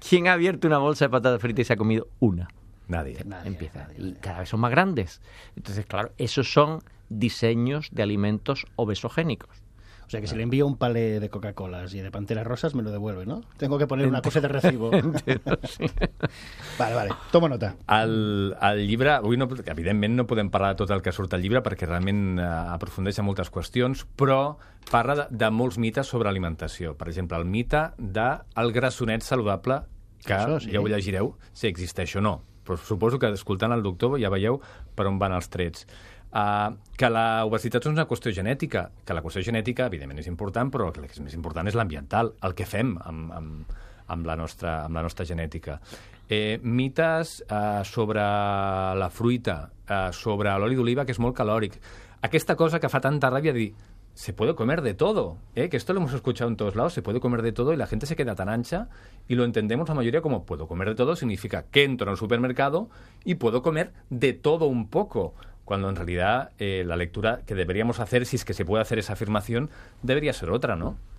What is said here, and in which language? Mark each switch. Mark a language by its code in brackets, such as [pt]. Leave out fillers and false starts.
[es] ¿Quién ha abierto una bolsa de patata frita y se ha comido una? Nadie. Empieza. Nadie. Y cada vez son más grandes. Entonces, claro, esos son diseños de alimentos obesogénicos. O sea, que si le envío un palé de Coca-Cola y de Panteras Rosas, me lo devuelve, ¿no? Tengo que poner una cosa de recibo. Vale, tomo nota. [ca] Al llibre, avui no, evidentment no podem parlar de tot el que surt al llibre perquè realment aprofundeix en moltes qüestions, però parla de molts mites sobre alimentació. Per exemple, el mite del grassonet saludable, que ja ho llegireu, si existeix o no. Però suposo que escoltant el doctor ja veieu per on van els trets. Que l'obesitat és una qüestió genètica, que la qüestió genètica, evidentment, és important, però el que és més important és l'ambiental, el que fem amb la nostra genètica. Mites sobre la fruita, sobre l'oli d'oliva, que és molt calòric. Aquesta cosa que fa tanta ràbia dir [es] se puede comer de todo, que esto lo hemos escuchado en todos lados, se puede comer de todo, y la gente se queda tan ancha, y lo entendemos la mayoría como puedo comer de todo, significa que entro en el supermercado y puedo comer de todo un poco, cuando en realidad la lectura que deberíamos hacer, si es que se puede hacer esa afirmación, debería ser otra, ¿no?